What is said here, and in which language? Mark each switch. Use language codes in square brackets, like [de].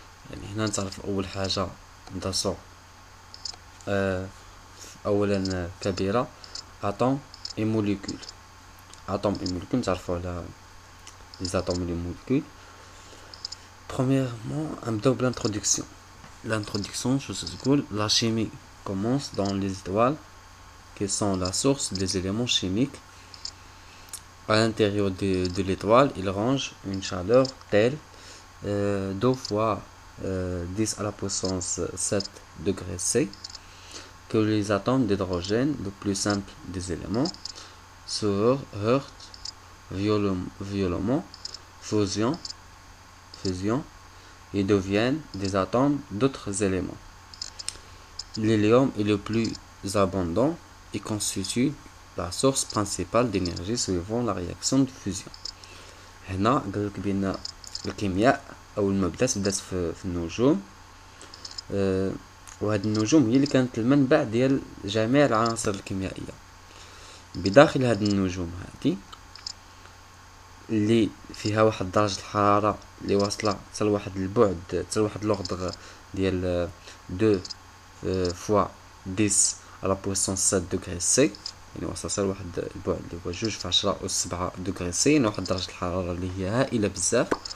[ar] يعني هنا نتعرف أول حاجة ندرسو، أولا كبيرة اتوم اي موليكول. اتوم اي موليكول نتعرفو على لي زاتوم اي موليكول. بروميرمون نبداو بالانتروديكسيون. [fr] L'introduction, je vous explique, la chimie commence dans les étoiles, qui sont la source des éléments chimiques. À l'intérieur de l'étoile, il range une chaleur telle 2 fois 10 à la puissance 7 degrés C, que les atomes d'hydrogène, le plus simple des éléments, se heurtent violemment, fusion. Ils deviennent des atomes d'autres éléments. L'hélium est le plus abondant et constitue la source principale d'énergie suivant la réaction de fusion. [ar] هنا قالوا لك بان الكيمياء اول ما بدات في النجوم، وهذه النجوم هي اللي كانت المنبع ديال جميع العناصر الكيميائية. بداخل هذه النجوم هذه اللي فيها واحد درجة الحرارة اللي واصلة حتى لواحد البعد حتى لواحد لوغدغ ديال 2 فوا 10 على بويسونس 7 دوغري سي، يعني واصلة حتى لواحد البعد اللي هو 2 × 10⁻⁷ دوغري سي، يعني واحد درجة الحرارة اللي هي هائلة بزاف.